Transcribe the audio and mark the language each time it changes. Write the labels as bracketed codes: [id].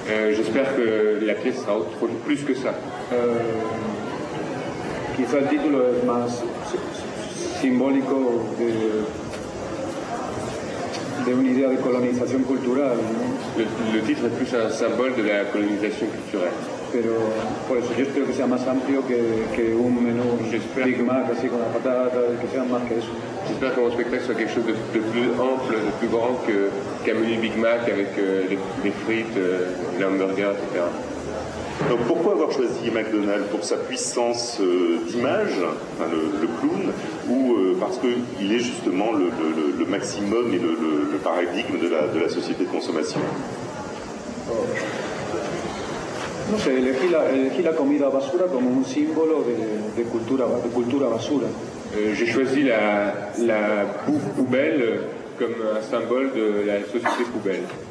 [fr] J'espère que la pièce sera autre chose, plus que ça. [es] Quizá el título es más simbólico de una idea de colonización cultural, ¿no? [fr] Le titre est plus un symbole de la colonisation culturelle. [es] Pero por eso yo espero que sea más amplio que un menú Big Mac así con la patata, que sea más que eso. [fr] J'espère que mon spectacle soit quelque chose de plus ample, de plus grand qu'un menu Big Mac avec des frites, l'hamburger, etc. Donc pourquoi avoir choisi McDonald's pour sa puissance d'image, hein, le clown, ou parce qu'il est justement le maximum et le paradigme de la société de consommation? [es] No sé, elegí la comida basura como un símbolo de cultura basura. [fr] J'ai choisi la bouffe poubelle comme un symbole de la société poubelle.